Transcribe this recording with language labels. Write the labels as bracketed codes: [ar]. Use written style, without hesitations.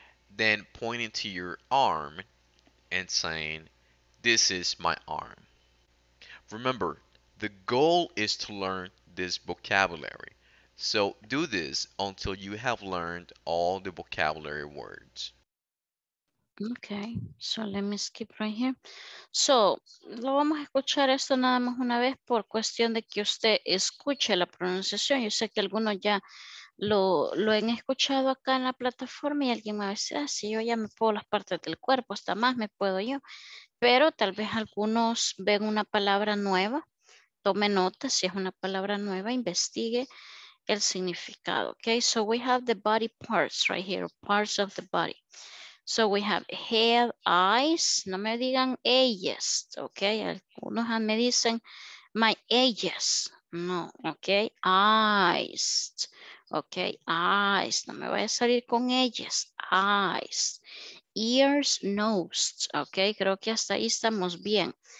[en] Then pointing to your arm and saying, this is my arm. Remember, the goal is to learn this vocabulary. So do this until you have learned all the vocabulary words. Okay, so let me skip right here. [es] So, lo vamos a escuchar esto nada más una vez por cuestión de que usted escuche la pronunciación. Yo sé que algunos ya lo han escuchado acá en la plataforma y alguien me va a decir, ah, sí, yo ya me puedo las partes del cuerpo, hasta más me puedo yo. Pero tal vez algunos ven una palabra nueva, tome nota si es una palabra nueva, investigue el significado. [en] Okay, so we have the body parts right here, parts of the body. So we have head, eyes, [es] no me digan ellas, ok, algunos me dicen my ellas, no, ok, eyes, ok, eyes, no me voy a salir con ellas, [en] eyes, ears, nose, [es] ok, creo que hasta ahí estamos bien.